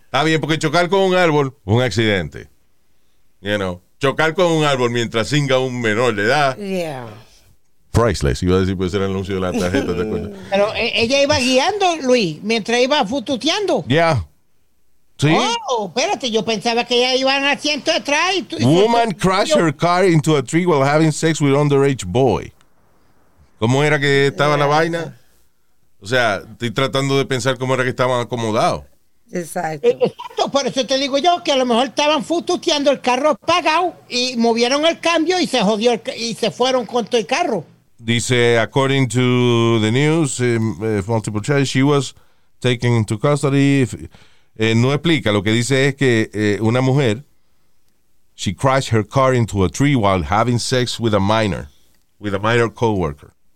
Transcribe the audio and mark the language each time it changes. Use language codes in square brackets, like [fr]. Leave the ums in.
[es] Está bien, porque chocar con un árbol, un accidente. You know, chocar con un árbol mientras singa un menor de edad. [en] Yeah priceless. [es] Iba a decir, puede ser el anuncio de la tarjeta, ¿te acuerdas? Pero ella iba guiando, Luis, mientras iba fututeando. Ya. Yeah. ¿Sí? Oh, espérate, yo pensaba que ya iban asiento de atrás. Y tú, [en] Woman crashed her car into a tree while having sex with underage boy. [es] ¿Cómo era que estaba yeah. la vaina? O sea, estoy tratando de pensar cómo era que estaban acomodados. Exacto. Exacto. por eso te digo yo que a lo mejor estaban fututeando el carro apagado y movieron el cambio y se jodió el y se fueron con todo el carro. [en] dice according to the news eh, uh, multiple charges she was taken into custody eh, uh, [es] no explica lo que dice es que eh, uh, una mujer, [en] she crashed her car into a tree while having sex with a minor with a minor coworker